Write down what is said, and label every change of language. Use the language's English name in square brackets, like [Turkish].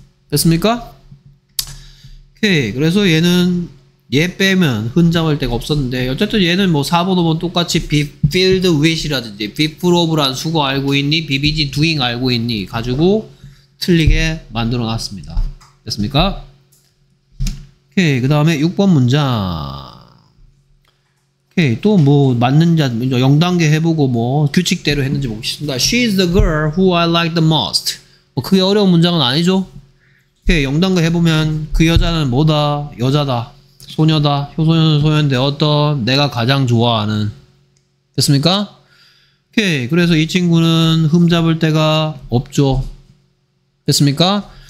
[Korean] 됐습니까? 오케이. 그래서 얘는 얘 빼면 흔잡을 데가 없었는데 어쨌든 얘는 뭐 4번 5번 똑같이 be filled with이라든지 be full of란 수거 알고 있니? be busy doing 알고 있니? 가지고 틀리게 만들어 놨습니다. 됐습니까? 오케이. 그 다음에 6번 문장. 오케이. 또 뭐 맞는 자 0단계 해보고 뭐 규칙대로 했는지 보겠습니다. [English] She's the girl who I like the most. [Korean] 뭐 그게 어려운 문장은 아니죠? 오케이. 0단계 해보면 그 여자는 뭐다? 여자다. 소녀다. 효소녀는 소녀인데 어떤 내가 가장 좋아하는. 됐습니까? 오케이. 그래서 이 친구는 흠잡을 데가 없죠. 됐습니까?